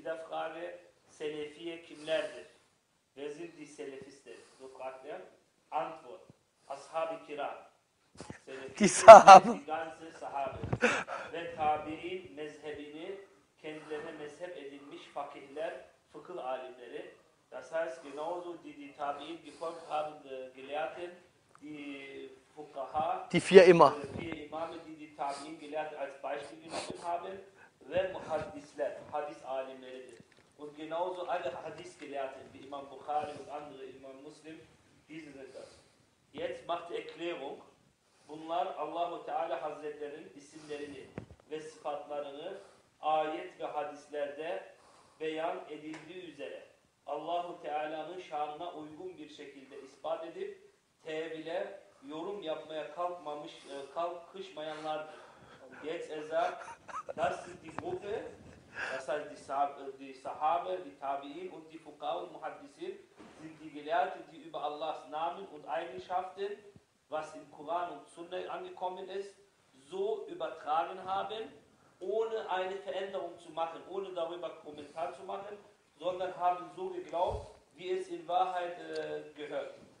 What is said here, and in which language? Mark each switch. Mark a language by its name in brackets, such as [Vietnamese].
[Turkish] Frage, Selefiye kimlerdir? [German] Wer sind die Selefisten? So fragt er. Antwort, Ashab-i Kiram. Die Sahabe. Die ganze Sahabe. [Turkish] Ve Tabi'in mezhebini, kendilerine mezheb edinmiş fakihler, fıkıh alimleri. [German] Das heißt, genauso die Tabi'in gefolgt haben, die Gelehrten, die Fukaha, die vier Imam. Die vier Imame, die Tabi'in gelehrt als Beispiel genommen haben. [Turkish] Ve muhaddisler, hadis alimleridir. [German] Und genauso alle hadis gelehrten, wie İmam Bukhari und andere İmam Muslim, diese sind das. Jetzt macht die Erklärung, [Turkish] bunlar Allahu Teala Hazretlerin isimlerini ve sıfatlarını ayet ve hadislerde beyan edildiği üzere Allahu Teala'nın şanına uygun bir şekilde ispat edip tevile yorum yapmaya kalkışmayanlardır. [German] Jetzt er sagt, das sind die Gruppe, das heißt die Sahabe, die Tabi'in und die Fuqaha und Muhaddisin sind die Gelehrten, die über Allahs Namen und Eigenschaften, was im Koran und Sunna angekommen ist, so übertragen haben, ohne eine Veränderung zu machen, ohne darüber Kommentar zu machen, sondern haben so geglaubt, wie es in Wahrheit gehört.